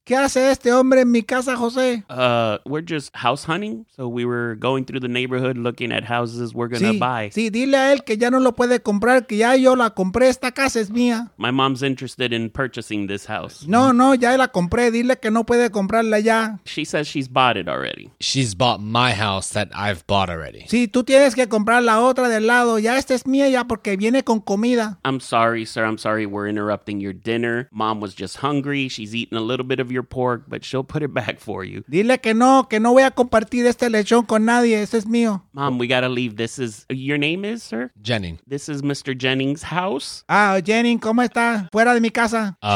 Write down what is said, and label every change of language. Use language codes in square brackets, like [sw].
[es] ¿Qué hace este hombre en mi casa, Jose? [en] We're just house hunting. So we were going through the neighborhood looking at houses we're gonna buy. [es] Sí, dile a él que ya no lo puede comprar, que ya yo la compré. Esta casa es mía. [en] My mom's interested in purchasing this house. [es] No, no, ya la compré. Dile que no puede comprarla ya. [en] She says she's bought it already. She's bought my house that I've bought already. [es] Sí, tú tienes que comprar la otra del lado. Ya esta es mía ya porque viene con comida. [en] I'm sorry, sir. I'm sorry we're interrupting your dinner. Mom was just hungry. She's eating a little bit of your pork, but she'll put it back for you. [es] Dile que no voy a compartir este lechón con nadie. Ese es mío. [en] Mom, we gotta leave. This is, your name is, sir? Jennings. This is Mr. Jennings' house. [es] Ah, Jennings, ¿cómo está? Fuera de mi casa.